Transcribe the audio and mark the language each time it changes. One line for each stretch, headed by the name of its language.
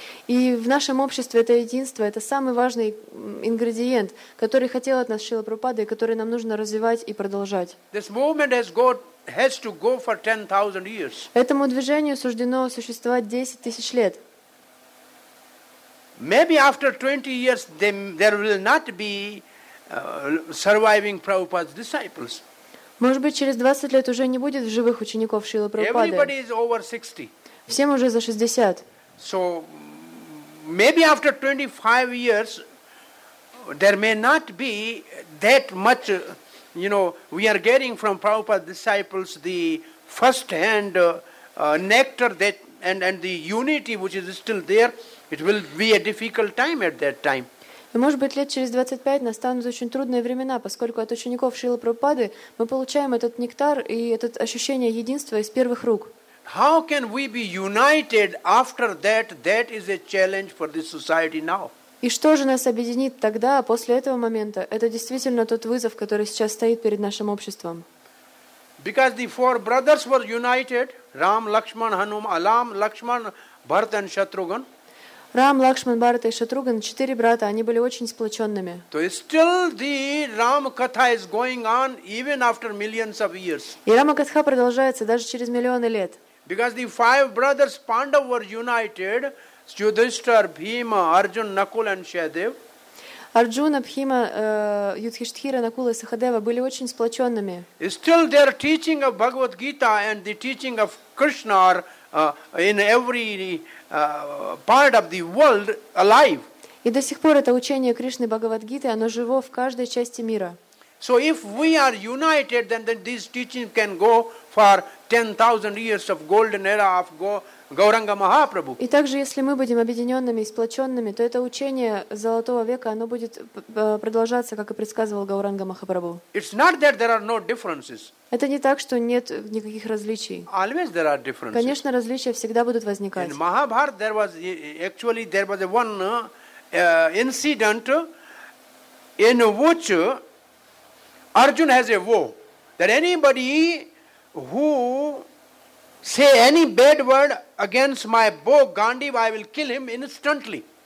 Russian: И в нашем обществе это единство, это самый важный ингредиент, который хотел от нас Шрила Прабхупада и который нам нужно развивать и продолжать.
English: This movement has to go for 10,000 years.
Russian: Этому движению суждено существовать 10 тысяч лет.
English: Maybe after 20 years there will not be surviving Prabhupada's disciples.
Russian: Может быть, через 20 лет уже не будет живых учеников Шрилы Прабхупады.
English: Everybody is over 60.
Russian: Всем уже за 60.
English: So maybe after 25 years there may not be that much, you know, we are getting from Prabhupada's disciples the first-hand nectar that and the unity which is still there. It will be a difficult time at that time.
Russian: И, может быть, лет через 25 настанут очень трудные времена, поскольку от учеников Шрилы Прабхупады мы получаем этот нектар и это ощущение единства из первых рук.
English: How can we be united after that? That is a challenge for this society now.
Russian: И что же нас объединит тогда, после этого момента? Это действительно тот вызов, который сейчас стоит перед нашим обществом.
English: Because the four brothers were united, Ram, Lakshman, Hanuman, Alam, Lakshman, Bharat and Shatrughan.
Russian: Рам, Лакшман, Бхарата и Шатруган, четыре брата, они были очень сплоченными.
English: So still the Рамакатха is going on even after millions of years.
Russian: И Рамакатха продолжается даже через миллионы лет.
English: Because the five brothers Pandav were united, Yudhishthir, Bhima, Arjun, Nakul and Shahadev.
Russian: Арджуна, Бхима, Юдхиштхира, Накула и Сахадева были очень сплоченными.
English: Still their teaching of Bhagavad Gita and the teaching of Krishna in every part of the world alive.
Russian: И до сих пор это учение Кришны Бхагавадгиты, оно живо в каждой части мира.
English: So if we are united, then these teachings can go for 10,000 years of golden era of Gauranga Mahaprabhu.
Russian: И также, если мы будем объединенными и сплоченными, то это учение золотого века, оно будет продолжаться, как и предсказывал Гауранга Махапрабху.
English: It's not that there are no differences.
Russian: Это не так, что нет никаких различий.
English: Always there are differences.
Russian: Конечно, различия всегда будут возникать.
English: In Mahabharata, there was one incident in which Arjuna has a woe that anybody who say any bad word against my bow, Gandiva, I will kill him instantly.